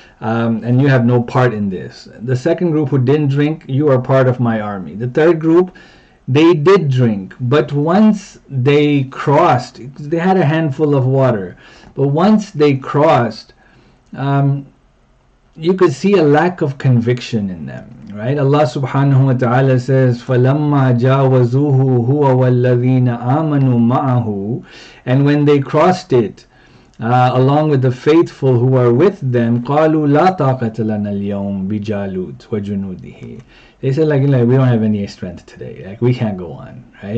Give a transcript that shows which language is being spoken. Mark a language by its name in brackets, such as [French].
[English] And you have no part in this. The second group who didn't drink, you are part of my army. The third group, they did drink, but once they crossed, they had a handful of water, but once they crossed, you could see a lack of conviction in them, right? Allah subhanahu wa ta'ala says, [Arabic] فَلَمَّا جَاوَزُوهُ هُوَ وَالَّذِينَ آمَنُوا مَعَهُ. [English] And when they crossed it, along with the faithful who are with them, [Arabic] قَالُوا لَا طَاقَةَ لَنَا الْيَوْمَ بِجَالُوتِ وَجُنُودِهِ. [English] They said, like, we don't have any strength today. Like, we can't go on, right?